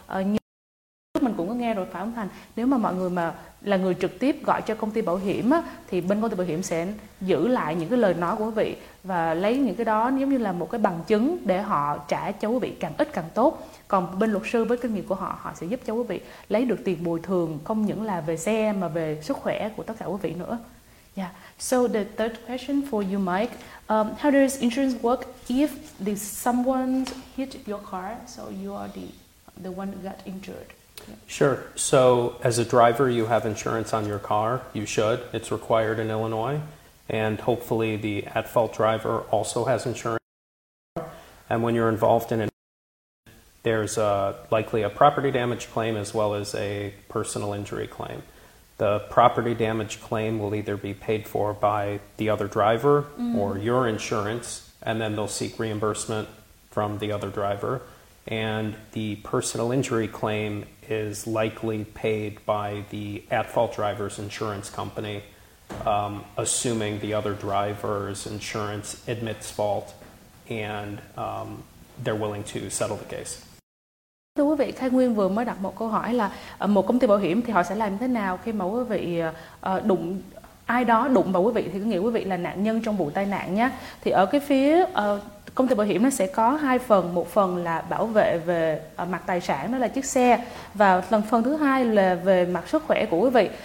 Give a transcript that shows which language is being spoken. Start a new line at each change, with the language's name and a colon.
Vietnamese: Như mình cũng có nghe rồi phải không Thành? Nếu mà mọi người mà là người trực tiếp gọi cho công ty bảo hiểm á, thì bên công ty bảo hiểm sẽ giữ lại những cái lời nói của quý vị và lấy những cái đó giống như là một cái bằng chứng để họ trả cho quý vị càng ít càng tốt. Còn bên luật sư với kinh nghiệm của họ, họ sẽ giúp cho quý vị lấy được tiền bồi thường không những là về xe mà về sức khỏe của tất cả quý vị nữa.
English: Yeah. So the third question for you, Mike. How does insurance work if someone hit your car, so you are the one who got injured? Sure. So as a driver, you have insurance on your car. You should. It's required in Illinois. And hopefully the at-fault driver also has insurance. And when you're involved in an accident, there's likely a property damage claim as well as a personal injury claim. The property damage claim will either be paid for by the other driver or your insurance, and then they'll seek reimbursement from the other driver. And the personal injury claim is likely paid by the at-fault driver's insurance company, assuming the other driver's insurance admits fault and they're willing to settle the case.
Vietnamese: Thưa quý vị, Khai Nguyên vừa mới đặt một câu hỏi là một công ty bảo hiểm thì họ sẽ làm thế nào khi mà quý vị đụng ai đó đụng vào quý vị thì có nghĩa quý vị là nạn nhân trong vụ tai nạn nhé. Thì ở cái phía công ty bảo hiểm nó sẽ có hai phần, một phần là bảo vệ về mặt tài sản, đó là chiếc xe, và phần thứ hai là về mặt sức khỏe của quý vị.